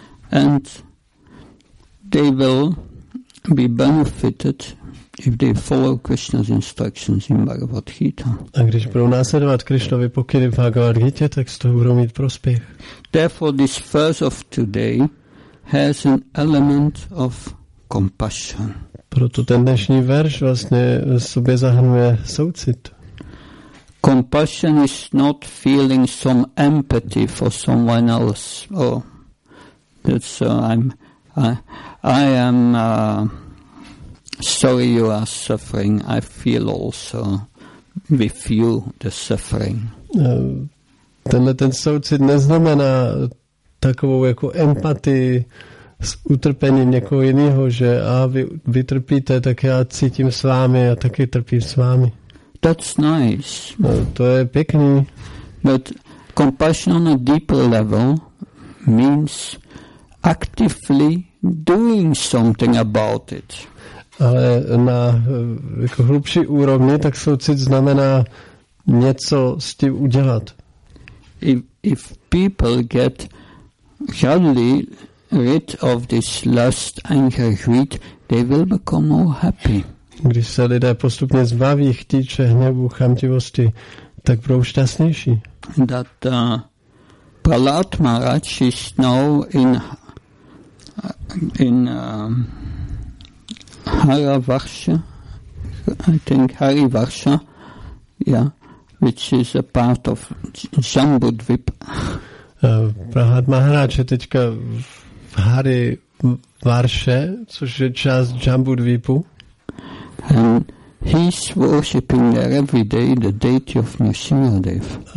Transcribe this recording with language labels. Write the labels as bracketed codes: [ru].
[en] And they will be benefited if they follow Krishna's instructions in Bhagavad Gita. [cs] A když budou následovat Krishnovy pokyny v Bhagavad Gita, tak z toho budou mít prospěch. [en] Therefore this verse of today has an element of compassion. [cs] Proto ten dnešní verš vlastně sobě zahrnuje soucit. [en] Compassion is not feeling some empathy for someone else. Oh, that's I am sorry you are suffering. I feel also with you the suffering. [cs] tenhle ten soucit neznamená takovou jako empatii s utrpením někoho jiného, že a vy trpíte, tak já cítím s vámi a taky trpím s vámi. [en] That's nice. [cs] No, to je pěkný. [en] But compassion on a deeper level means actively doing something about it. [cs] Ale na jako hlubší úrovni, tak soucit znamená něco s tím udělat. [en] If people get suddenly rid of this lust, anger, greed, they will become more happy. [cs] Když se lidé postupně zbaví chtíče, hněvu, chamtivosti, tak budou šťastnější. [en] That Prahlad Maharaj is now in Harivarsha, I think Harivarsha, yeah, which is a part of Jambudvip. [cs] Prahlad Maharaj je teďka v Harivarsha, což je část Jambudvipu. [en] And he's worshipping there every day the deity of Narsimhadev.